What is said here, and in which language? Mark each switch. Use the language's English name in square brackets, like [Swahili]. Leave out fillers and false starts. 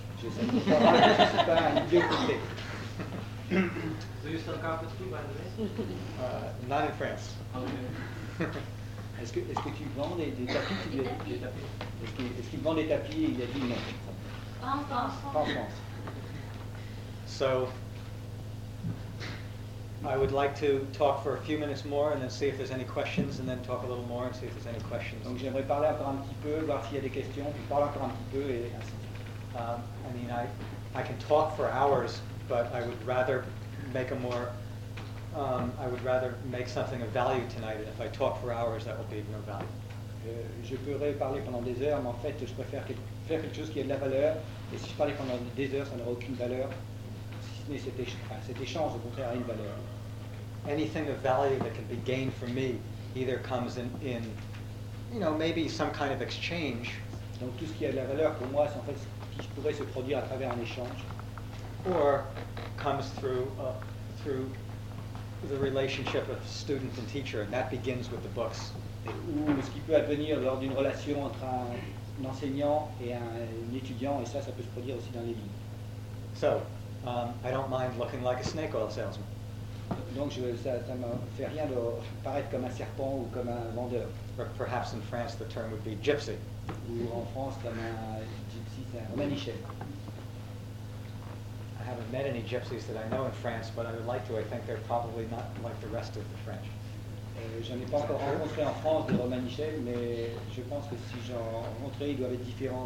[French] Je ne sais pas, je ne suis pas un idiot complet. [English] Do you sell carpets too, by the way? Not in France. [French] Okay. Est-ce que tu vends des tapis? Tu des tapis. Est-ce qu'il vend des tapis? Il a dit non. Pas en France. [English] So, I would like to talk for a few minutes more and then see if there's any questions and then talk a little more and see if there's any questions. [French] Donc j'aimerais parler encore un petit peu, voir s'il y a des questions, puis parler encore un petit peu et ainsi. [English] I can talk for hours, but I would rather make a more I would rather make something of value tonight, and if I talk for hours that will be of no value. [French] Je pourrais parler pendant des heures, mais en fait je préfère faire quelque chose qui ait de la valeur, et si je parlais pendant des heures, ça n'aura aucune valeur, si ce n'est cet échange, au contraire, a une valeur. [English] Anything of value that can be gained for me either comes in you know, maybe some kind of exchange. [French] Donc tout ce qui a de la valeur pour moi, c'est en fait ce qui pourrait se produire à travers un échange. [English] Or comes through through the relationship of student and teacher, and that begins with the books. [French] Ou ce qui peut advenir lors d'une relation entre un enseignant et un étudiant, et ça peut se produire aussi dans les livres. [English] So, I don't mind looking like a snake oil salesman. [French] Donc ça ne me fait rien de paraître comme un serpent ou comme un vendeur. [English] Or perhaps in France the term would be gypsy. [French] Ou en France comme un gypsy, c'est un manichet. [English] I haven't met any gypsies that I know in France, but I would like to. I think they're probably not like the rest of the French. [French] Je n'ai pas encore rencontré en France des romanichets, mais je pense que si j'en rencontrais, ils doivent être différents.